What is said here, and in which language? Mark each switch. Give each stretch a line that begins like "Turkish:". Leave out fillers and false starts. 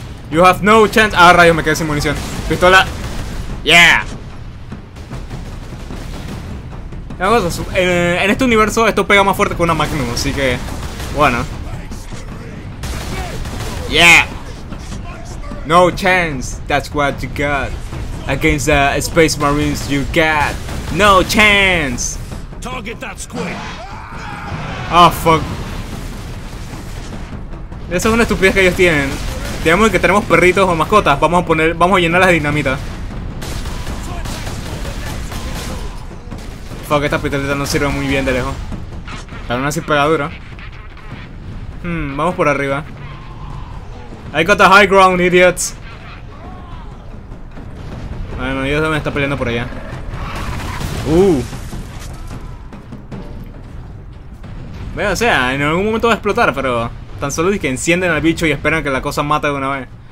English: You have no chance.
Spanish: Ah, rayos, me quedé sin munición. Pistola. Yeah. En este universo esto pega más fuerte que una Magnum, así que bueno.
English: Yeah. No chance. That's what you got against the Space Marines. You got no chance. Target that squid. Oh fuck.
Spanish: Esa es una estupidez que ellos tienen. Digamos que tenemos perritos o mascotas. Vamos a llenar las dinamitas. Fuck, esta pistolita no sirve muy bien de lejos. Pero no hace pegadura. Vamos por arriba.
English: I got the high ground, idiots.
Spanish: Bueno, ellos deben estar peleando por allá. Bueno, o sea, en algún momento va a explotar, pero tan solo es que encienden al bicho y esperan que la cosa mate de una vez.